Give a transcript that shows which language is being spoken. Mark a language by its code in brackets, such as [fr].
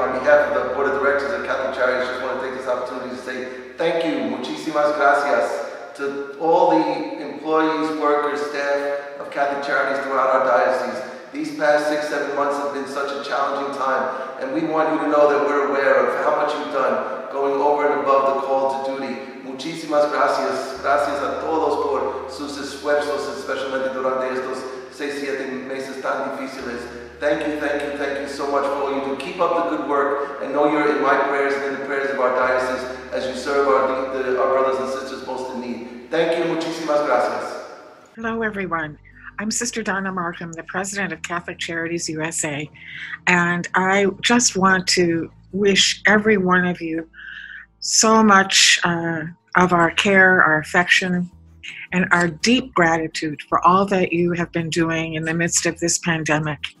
[en] On behalf of the Board of Directors of Catholic Charities, I just want to take this opportunity to say thank you, [es] muchísimas gracias, [en] to all the employees, workers, staff of Catholic Charities throughout our diocese. These past 6-7 months have been such a challenging time, and we want you to know that we're aware of how much you've done going over and above the call to duty. [es] Muchísimas gracias. Gracias a todos por sus esfuerzos, especialmente durante estos 6-7 meses tan difíciles. [en] Thank you so much for all you do. Keep up the good work. I know you're in my prayers and in the prayers of our diocese as you serve our brothers and sisters most in need. Thank you. [es] Muchísimas gracias. [en] Hello, everyone. I'm Sister Donna Markham, the president of Catholic Charities USA, and I just want to wish every one of you so much of our care, our affection, and our deep gratitude for all that you have been doing in the midst of this pandemic.